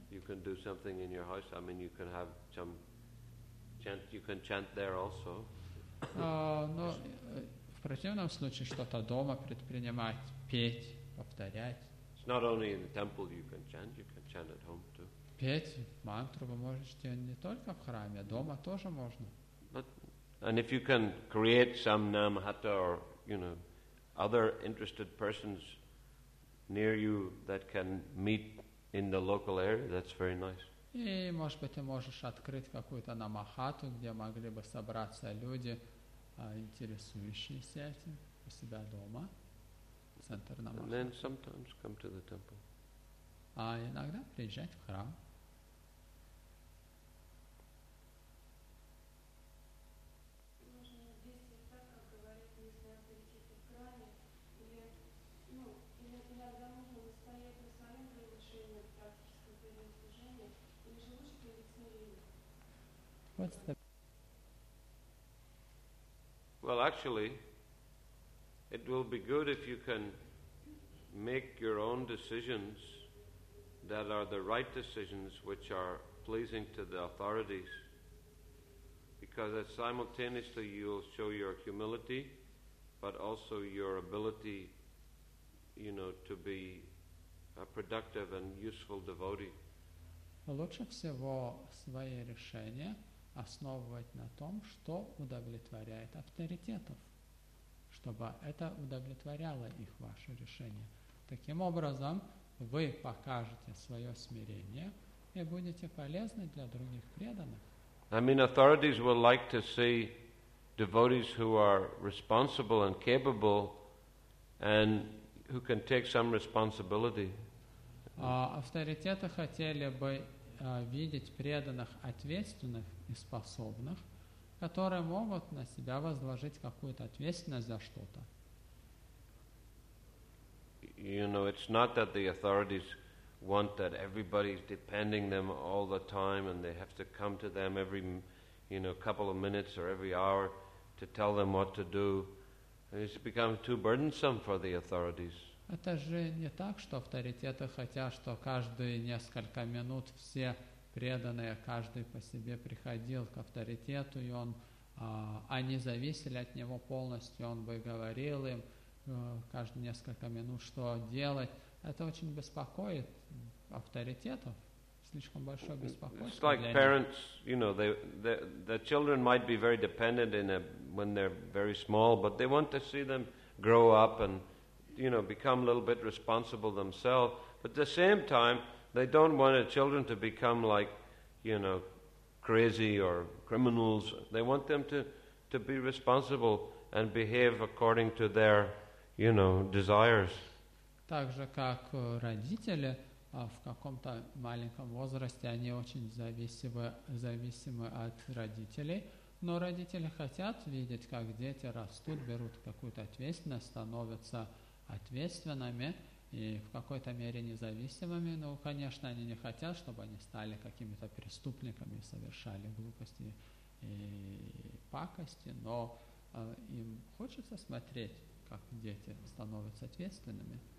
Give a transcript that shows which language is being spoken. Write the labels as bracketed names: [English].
[English] You can do something in your house. I mean, you can have some chant. You can chant there also. [Russian] Но в противном случае что-то дома предпринимать, петь, повторять. [English] It's not only in the temple you can chant, you can chant at home too. [Russian] Петь мантру вы можете не только в храме, дома тоже можно. [English] But, and if you can create some namahata or, you know, other interested persons near you that can meet in the local area, that's very nice. [Russian] И, может быть, ты можешь открыть какую-то намахату, где могли бы собраться люди, интересующиеся этим у себя дома. [English] And then sometimes come to the temple. [Russian] А иногда приезжать в храм. [English] Well, actually, it will be good if you can make your own decisions that are the right decisions which are pleasing to the authorities, because that simultaneously you'll show your humility but also your ability, you know, to be a productive and useful devotee. [Russian] Лучше всего свои решения основывать на том, что удовлетворяет авторитетов, чтобы это удовлетворяло их ваше решение. Таким образом, вы покажете свое смирение и будете полезны для других преданных. [English] I mean, authorities would like to see devotees who are responsible and capable and who can take some responsibility. [Russian] Авторитеты хотели бы видеть преданных ответственных и способных, которые могут на себя возложить какую-то ответственность за что-то. [English] You know, it's not that the authorities want that everybody's depending them all the time and they have to come to them every, you know, couple of minutes or every hour to tell them what to do. It's become too burdensome for the authorities. [Russian] Это же не так, что авторитеты хотят, что каждые несколько минут все преданные, каждый по себе приходил к авторитету, и он, они зависели от него полностью, он бы говорил им каждые несколько минут, что делать. Это очень беспокоит авторитетов. Слишком большое беспокойство. [English] It's like parents, you know, the children might be very dependent in a, when they're very small, but they want to see them grow up and, you know, become a little bit responsible themselves. But at the same time, they don't want their children to become like, you know, crazy or criminals. They want them to be responsible and behave according to their, you know, desires. [Russian] Так же, как родители в каком-то маленьком возрасте, они очень зависимы от родителей, но родители хотят видеть, как дети растут, берут какую-то ответственность, становятся ответственными и в какой-то мере независимыми, но, конечно, они не хотят, чтобы они стали какими-то преступниками, совершали глупости и пакости, но им хочется смотреть, как дети становятся ответственными.